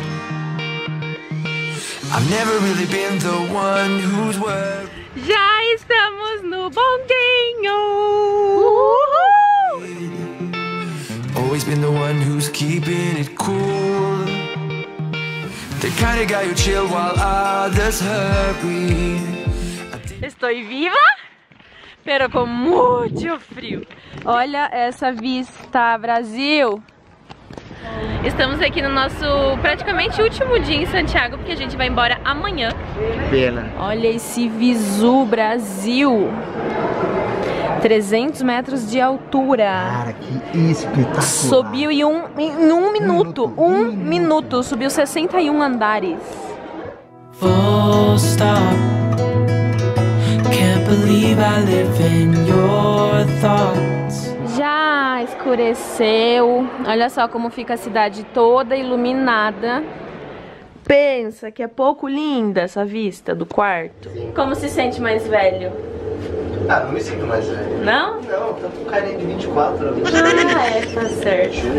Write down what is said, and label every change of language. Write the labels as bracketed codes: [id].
[en] I've never really been the one who's worth. [pt] Já estamos no bondinho. [en] Always been the one who's keeping it cool. The kind of guy who chill while others hurry. [pt] Estou viva, pero com muito frio. Olha essa vista, Brasil. Estamos aqui no nosso praticamente último dia em Santiago, porque a gente vai embora amanhã. Pena. Olha esse visu, Brasil. 300 metros de altura. Cara, que espetacular. Subiu em um minuto. Um minuto. Subiu 61 andares. [en] Full stop. Can't believe I live in your thoughts. [pt] Já escureceu. Olha só como fica a cidade toda iluminada. Pensa que é pouco linda essa vista do quarto. Sim. Como se sente mais velho? Ah, não me sinto mais velho. Não? Não, tô com carinha de 24 anos. Ah, é, tá certo.